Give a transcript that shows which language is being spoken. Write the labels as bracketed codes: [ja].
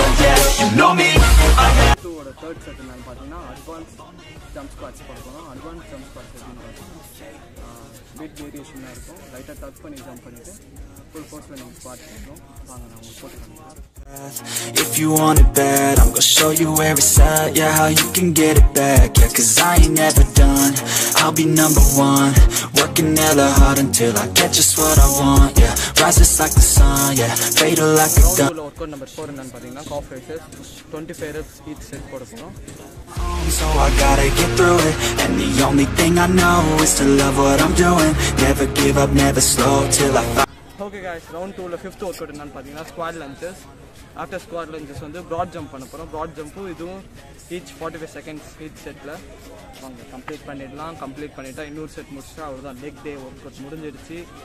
[ta] ஒரு third set என்னன்னு பார்த்தீங்கன்னா அட்வான்ஸ் ஜம்ப் ஸ்குவாட்ஸ் பண்ணுவோம். அட்வான்ஸ் ஜம்ப் ஸ்குவாட்ஸ் அப்படின்னு பார்த்தீங்கன்னா வெயிட் வேரியேஷனாக இருக்கும், லைட்டாக டச் பண்ணி ஜம்ப் பண்ணிவிட்டு ஃபுல் ஃபோர்ஸில் நீங்கள் ஸ்குவாட் பண்ணுவோம். வாங்க நான் உங்களுக்கு போட்டுக்கிறேன். [en] If you want it bad, I'm gonna show you where it's at. Yeah, how you can get it back. Yeah, cause I ain't never done. I'll be number one. Working hella hard until I get just what I want. Yeah, rises like the sun. Yeah, fatal like a gun. Workout number 4 and then call faces 25 reps each set for us. So I gotta get through it. And the only thing I know is to love what I'm doing. Never give up, never slow till I find. [ta] Okay guys, round டூவில் fifth work out என்னென்னு பார்த்தீங்கன்னா squad லன்ஜஸ். After squad லன்ஜஸ் வந்து broad jump பண்ண போகிறோம். Broad jump இதுவும் each 45 seconds each settle வாங்க complete பண்ணிடலாம். Complete பண்ணிவிட்டால் இன்னொரு செட் முடிச்சுட்டு அவ்வளோதான், லெக் டே ஒர்க் அவுட் முடிஞ்சிடுச்சு.